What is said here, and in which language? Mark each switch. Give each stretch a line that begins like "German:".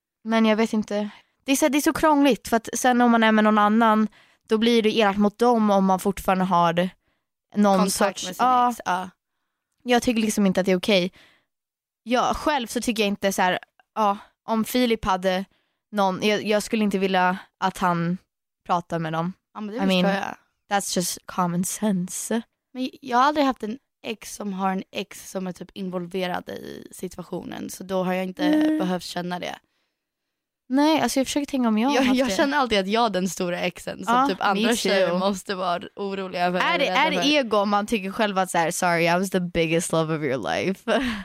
Swedish: Men jag vet inte, det är så krångligt, för att sen om man är med någon annan, då blir det elakt mot dem om man fortfarande har någon kontakt sorts med sin ex. Jag tycker liksom inte att det är okej. Ja, själv så tycker jag inte så här, om Filip hade någon, jag skulle inte vilja att han pratade med dem. Ja, men det förstår jag.
English: That's just common sense.
Swedish: Men jag har aldrig haft en ex som har en ex som är typ involverad i situationen, så då har jag inte behövt känna det. Nej, alltså jag försöker tänka om jag känner alltid att jag är den stora exen, så typ andra tjejer måste vara oroliga för. Är det ego om man tycker själv att så här,
English: sorry, I was the biggest love of your life.